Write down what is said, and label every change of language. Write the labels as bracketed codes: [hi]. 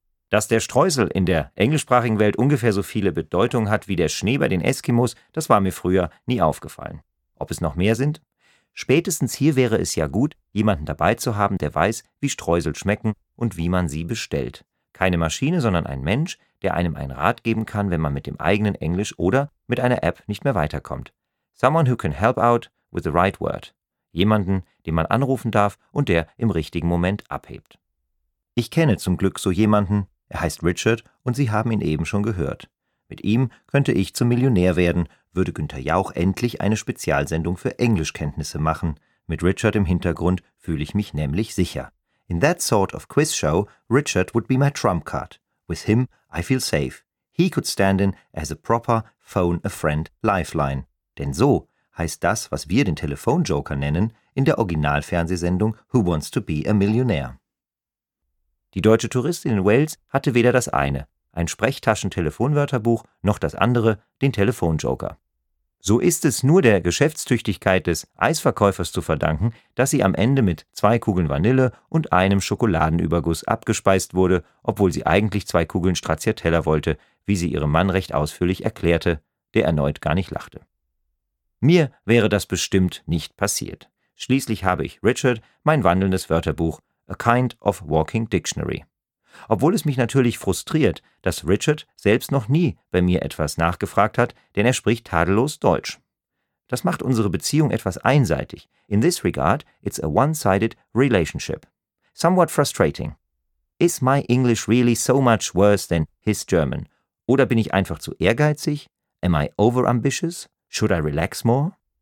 [de] Dass der Streusel in der englischsprachigen Welt ungefähr so viele Bedeutung hat wie der Schnee bei den Eskimos, das war mir früher nie aufgefallen. Ob es noch mehr sind? Spätestens hier wäre es ja gut, jemanden dabei zu haben, der weiß, wie Streusel schmecken und wie man sie bestellt. Keine Maschine, sondern ein Mensch, der einem einen Rat geben kann, wenn man mit dem eigenen Englisch oder mit einer App nicht mehr weiterkommt. [en] Someone who can help out with the right word. [de] Jemanden, den man anrufen darf und der im richtigen Moment abhebt. Ich kenne zum Glück so jemanden, er heißt Richard und Sie haben ihn eben schon gehört. Mit ihm könnte ich zum Millionär werden, würde Günther Jauch endlich eine Spezialsendung für Englischkenntnisse machen. Mit Richard im Hintergrund fühle ich mich nämlich sicher. [en] In that sort of quiz show, Richard would be my trump card. With him, I feel safe. He could stand in as a proper phone-a-friend lifeline. [de] Denn so heißt das, was wir den Telefonjoker nennen, in der Originalfernsehsendung Who Wants to Be a Millionaire? Die deutsche Touristin in Wales hatte weder das eine, ein Sprechtaschentelefonwörterbuch, noch das andere, den Telefonjoker. So ist es nur der Geschäftstüchtigkeit des Eisverkäufers zu verdanken, dass sie am Ende mit zwei Kugeln Vanille und einem Schokoladenüberguss abgespeist wurde, obwohl sie eigentlich zwei Kugeln Stracciatella wollte, wie sie ihrem Mann recht ausführlich erklärte, der erneut gar nicht lachte. Mir wäre das bestimmt nicht passiert. Schließlich habe ich Richard mein wandelndes Wörterbuch, [en] A Kind of Walking Dictionary. [de] Obwohl es mich natürlich frustriert, dass Richard selbst noch nie bei mir etwas nachgefragt hat, denn er spricht tadellos Deutsch. Das macht unsere Beziehung etwas einseitig. [en] In this regard, it's a one-sided relationship. Somewhat frustrating. Is my English really so much worse than his German? [de] Oder bin ich einfach zu ehrgeizig? [en] Am I overambitious? Should I relax more?